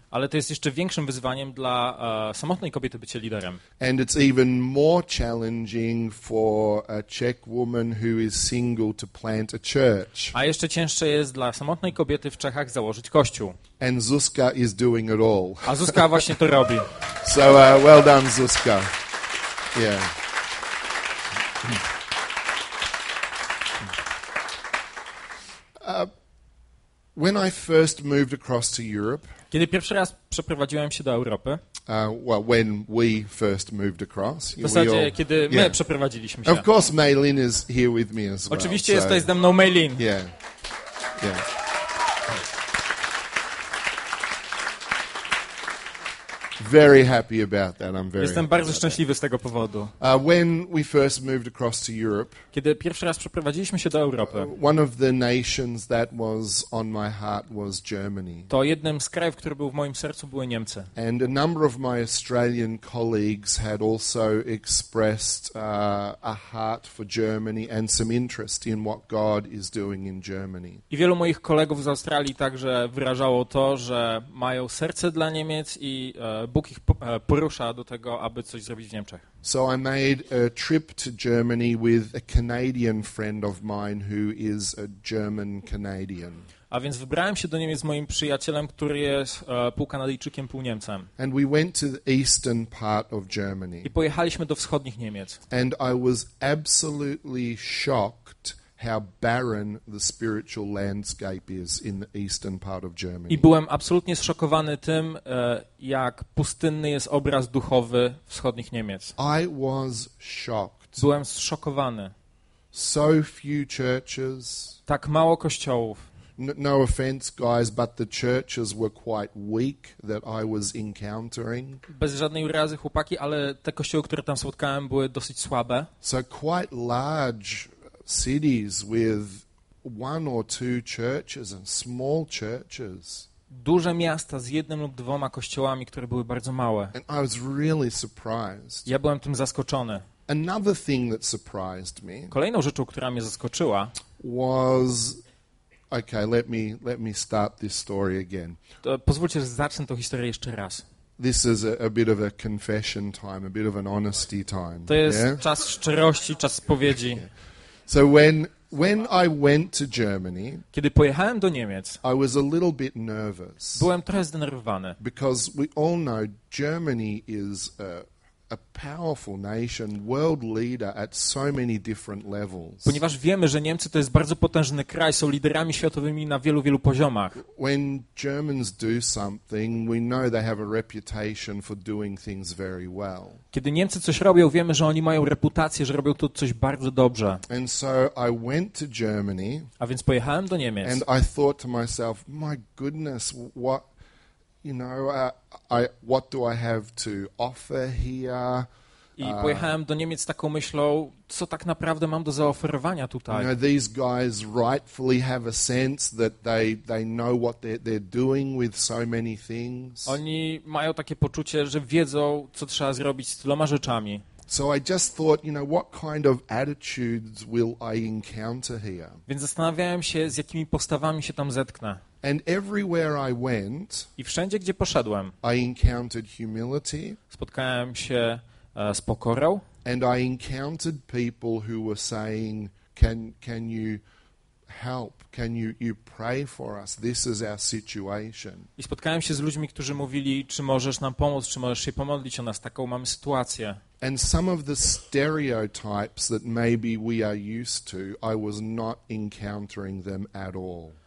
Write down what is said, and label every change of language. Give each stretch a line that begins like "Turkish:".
Polish: Ale to jest jeszcze większym wyzwaniem dla samotnej kobiety bycie liderem.
English: And it's even more challenging for a Czech woman who is single to plant a church.
Polish: A jeszcze cięższe jest dla samotnej kobiety w Czechach założyć kościół.
English: And Zuzka is doing it all.
Polish: A Zuzka właśnie to robi.
English: So well done, Zuzka. Yeah. When I first moved across to Europe.
Polish: Kiedy pierwszy raz przeprowadziłem się do Europy.
English: When we first moved across.
Polish: W zasadzie kiedy my przeprowadziliśmy się.
English: Of course, Maylin is here with me as well.
Polish: Oczywiście jest tutaj ze mną Maylin.
English: Yeah. Yeah. Very happy about that. I'm very.
Polish: Jestem bardzo szczęśliwy z tego powodu.
English: When we first moved across to Europe.
Polish: Kiedy pierwszy raz przeprowadziliśmy się do Europy.
English: One of the nations that was on my heart was Germany.
Polish: To jednym z krajów, który był w moim sercu, były Niemcy.
English: And a number of my Australian colleagues had also expressed a heart for Germany and some interest in what God is doing in Germany.
Polish: I wielu moich kolegów z Australii także wyrażało to, że mają serce dla Niemiec i Bóg ich porusza do tego, aby coś zrobić w Niemczech.
English: So I made a trip to Germany with a Canadian friend of mine who is a German Canadian.
Polish: A więc wybrałem się do Niemiec z moim przyjacielem, który jest pół Kanadyjczykiem, pół Niemcem.
English: And we went to the eastern part of Germany.
Polish: I pojechaliśmy do wschodnich Niemiec.
English: And I was absolutely shocked how barren the spiritual landscape is in the eastern part of Germany.
Polish: I byłem absolutnie zszokowany tym, jak pustynny jest obraz duchowy wschodnich Niemiec.
English: I was shocked.
Polish: Byłem zszokowany.
English: So few churches.
Polish: Tak mało kościołów.
English: No offense, guys, but the churches were quite weak that I was encountering.
Polish: Bez żadnej urazy, chłopaki, ale te kościoły, które tam spotkałem, były dosyć słabe.
English: So quite large cities with one or two churches and small churches.
Polish: Duże miasta z jednym lub dwoma kościołami, które były bardzo małe.
English: And I was really surprised.
Polish: Ja byłem tym zaskoczony.
English: Another thing that surprised me.
Polish: Kolejną rzeczą, która mnie zaskoczyła,
English: was Okay, let me start this story again.
Polish: Pozwólcie, że zacznę tę historię jeszcze raz.
English: This is a bit of a confession time, a bit of an honesty time.
Polish: To jest czas szczerości, czas spowiedzi.
English: So when I went to Germany,
Polish: kiedy pojechałem do Niemiec,
English: I was a little bit nervous.
Polish: Byłem trochę zdenerwowany.
English: Because we all know Germany is a powerful nation, world leader at so many different levels.
Polish: Ponieważ wiemy, że Niemcy to jest bardzo potężny kraj, są liderami światowymi na wielu, wielu poziomach.
English: When Germans do something, we know they have a reputation for doing things very well.
Polish: Kiedy Niemcy coś robią, wiemy, że oni mają reputację, że robią to coś bardzo dobrze.
English: And so I went to Germany.
Polish: A więc pojechałem do Niemiec.
English: And I thought to myself, my goodness, what, you know, I what do I have to offer here?
Polish: I pojechałem do Niemiec z taką myślą, co tak naprawdę mam do zaoferowania tutaj.
English: You know, these guys rightfully have a sense that they know what they're doing with so many things.
Polish: Oni mają takie poczucie, że wiedzą, co trzeba zrobić z tyloma rzeczami.
English: So I just thought, you know, what kind of attitudes will I encounter here?
Polish: Więc zastanawiałem się, z jakimi postawami się tam zetknę.
English: And everywhere I went,
Polish: i wszędzie, gdzie poszedłem,
English: I encountered humility,
Polish: spotkałem się z pokorą,
English: and I encountered people who were saying, can you help? Can you pray for us? This is our situation.
Polish: I spotkałem się z ludźmi, którzy mówili, czy możesz nam pomóc, czy możesz się pomodlić o nas, taką mamy sytuację.
English: And some of the stereotypes that maybe we are used to, I was not encountering them at all.